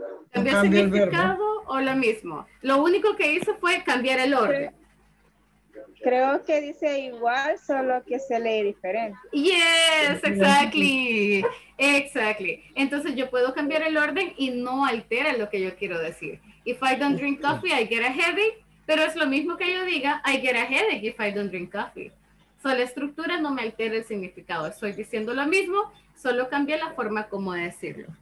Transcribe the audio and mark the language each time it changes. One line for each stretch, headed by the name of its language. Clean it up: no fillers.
Spanish: ¿Cambió el significado o lo mismo? Lo único que hizo fue cambiar el orden. Creo que dice igual, solo que se lee diferente.
English: Yes, exactly. Exactly.
Spanish: Entonces yo puedo cambiar el orden y no altera lo que yo quiero decir.
English: If I don't drink coffee, I get a headache.
Spanish: Pero es lo mismo que yo diga,
English: I get a headache if I don't drink coffee.
Spanish: So la estructura no me altera el significado. Estoy diciendo lo mismo, solo cambia la forma como decirlo.